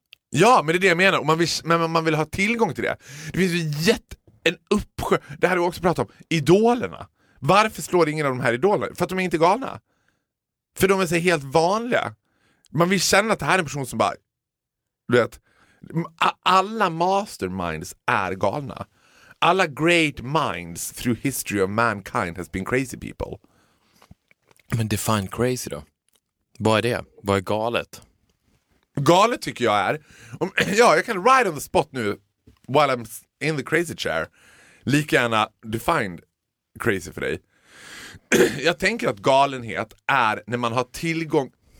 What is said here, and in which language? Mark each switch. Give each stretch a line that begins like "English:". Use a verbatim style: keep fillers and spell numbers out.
Swedish: Ja, men det är det jag menar. Och man vill, men man vill ha tillgång till det. Det finns ju jätte, en uppsjö. Det här har vi också pratat om. Idolerna. Varför slår ingen av de här idolerna? För att de är inte galna. För de är så helt vanliga. Man vill känna att det här är en person som bara Du vet, a- alla masterminds är galna.
English: Alla great minds through history of mankind has been crazy people.
Swedish: Men
English: define crazy
Swedish: då? Vad är det? Vad är galet? Galet tycker jag är om, ja, jag kan
English: ride on the spot
Swedish: nu
English: while I'm in the crazy chair.
Swedish: Lika gärna
English: define crazy
Swedish: för dig. Jag tänker att galenhet är när man har tillgång.